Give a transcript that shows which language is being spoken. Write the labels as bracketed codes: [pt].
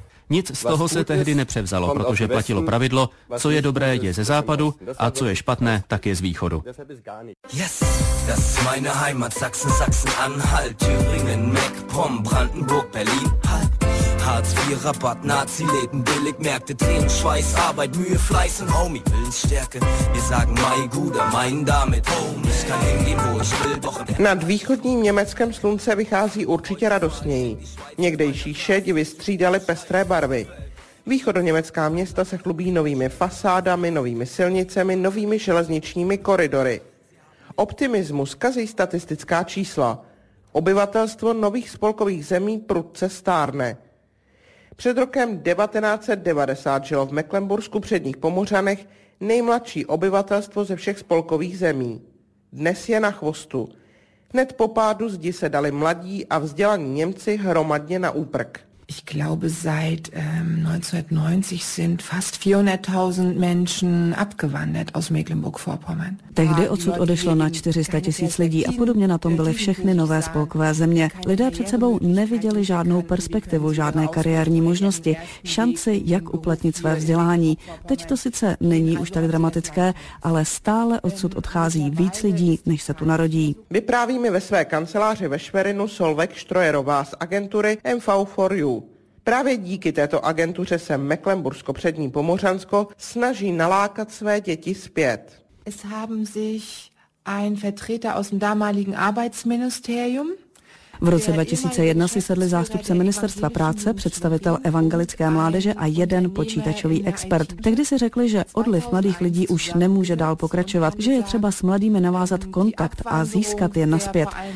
[cs] Nic z toho se tehdy nepřevzalo, protože platilo pravidlo, co je dobré, je ze západu a co je špatné, tak je z východu. [de] Yes, das ist meine Heimat, Sachsen, Sachsen-Anhalt, Thüringen, Meck-Pomm, Brandenburg, Berlin, Hartz IV, Rabatt, Nazi-Läden, Billigmärkte, Tränen, Schweiß, Arbeit, Mühe, Fleiß und Homie, Willensstärke. Wir sagen mein Guter, mein damit Home, ich kann hingehen, wo ich will, doch in der... [cs] Nad východním německém slunce vychází určitě radostněji. Někdejší šedi vystřídali pestré barvy. Východoněmecká města se chlubí novými fasádami, novými silnicemi, novými železničními koridory. Optimismus kazí statistická čísla. Obyvatelstvo nových spolkových zemí prudce stárne. Před rokem 1990 žilo v Mecklenburgsku předních Pomořanech nejmladší obyvatelstvo ze všech spolkových zemí. Dnes je na chvostu. Hned po pádu zdi se dali mladí a vzdělaní Němci hromadně na úprk. [de] Ich glaube, seit 1990 sind fast 400.000 Menschen abgewandert aus Mecklenburg-Vorpommern. [cs] Tehdy odsud odešlo na 400 tisíc lidí a podobně na tom byly všechny nové spolkové země. Lidé před sebou neviděli žádnou perspektivu, žádné kariérní možnosti, šanci, jak uplatnit své vzdělání. Teď to sice není už tak dramatické, ale stále odsud odchází víc lidí, než se tu narodí. Vypráví mi ve své kanceláři ve Šverinu Solveig Strojerová z agentury MV4U. Právě díky této agentuře se Mecklenburgsko-přední Pomořansko snaží nalákat své děti zpět. [de] Es haben sich ein Vertreter aus dem damaligen Arbeitsministerium. [cs] V roce 2001 si sedli zástupce ministerstva práce, představitel evangelické mládeže a jeden počítačový expert. Tehdy si řekli, že odliv mladých lidí už nemůže dál pokračovat, že je třeba s mladými navázat kontakt a získat je nazpět.